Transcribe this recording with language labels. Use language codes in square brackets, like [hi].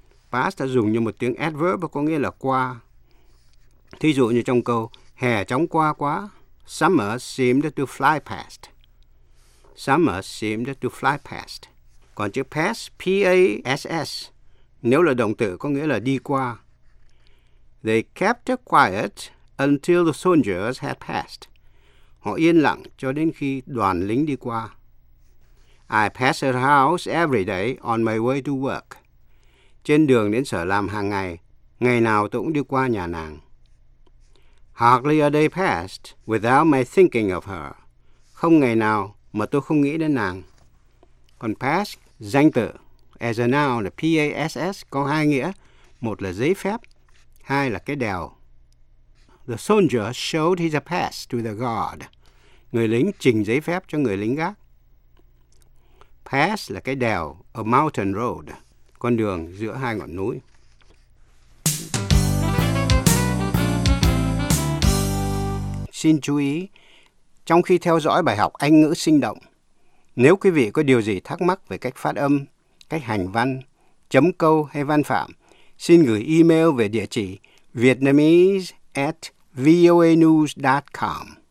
[vi] Past đã dùng như một tiếng adverb có nghĩa là qua. Thí dụ như trong câu, hè chóng qua quá. [en] Summer seemed to fly past. Summer seemed to fly past. [vi] Còn chữ pass, P-A-S-S, nếu là động từ có nghĩa là đi qua. [en] They kept quiet until the soldiers had passed. [vi] Họ yên lặng cho đến khi đoàn lính đi qua. [en] I pass her house every day on my way to work. [vi] Trên đường đến sở làm hàng ngày, ngày nào tôi cũng đi qua nhà nàng. [en] Hardly a day passed without my thinking of her. [vi] Không ngày nào mà tôi không nghĩ đến nàng. Còn pass, danh từ, [en] as a noun, [vi] P-A-S-S, có hai nghĩa. Một là giấy phép, hai là cái đèo. [en] The soldier showed his pass to the guard. [vi] Người lính trình giấy phép cho người lính gác. Pass là cái đèo, [en] a mountain road, [vi] con đường giữa hai ngọn núi. Xin chú ý, trong khi theo dõi bài học Anh ngữ sinh động, nếu quý vị có điều gì thắc mắc về cách phát âm, cách hành văn, chấm câu hay văn phạm, xin gửi email về địa chỉ vietnamese@voanews.com.